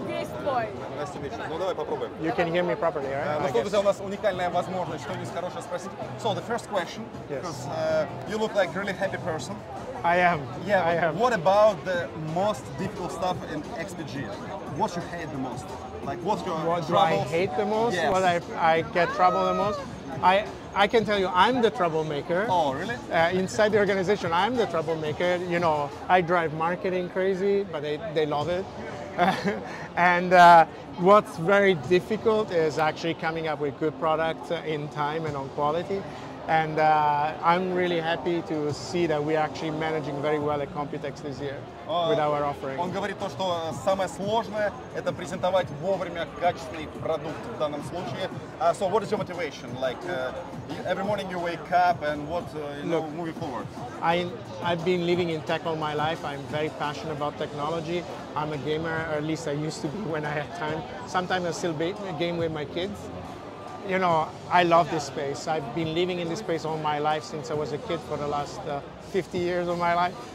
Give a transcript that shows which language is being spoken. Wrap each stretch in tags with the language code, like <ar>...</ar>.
<ru>весь твой. Ну давай попробуем.</ru> <en>You can hear me properly, right?</en> <ru>Ну что, друзья, у нас уникальная возможность что-нибудь хорошее спросить.</ru> <en>So, the first question, because you look like a really happy person. I am. Yeah, I am. What about the most difficult stuff in XPG? What you hate the most? Like, what's your what troubles? Do I hate the most? Yes. What I get trouble the most? I can tell you, I'm the troublemaker. Oh, really? Inside the organization, I'm the troublemaker. You know, I drive marketing crazy, but they love it. And what's very difficult is actually coming up with good products in time and on quality. And I'm really happy to see that we're actually managing very well at Computex this year with our offering.</en> <ru>Он говорит то, что самое сложное – это презентовать вовремя качественный продукт в данном случае.</ru> <en>So what is your motivation? Like every morning you wake up and what, you know, moving forward? I've been living in tech all my life. I'm very passionate about technology. I'm a gamer, or at least I used to be when I had time. Sometimes I still game with my kids. You know, I love this space. I've been living in this space all my life since I was a kid for the last 50 years of my life.</en>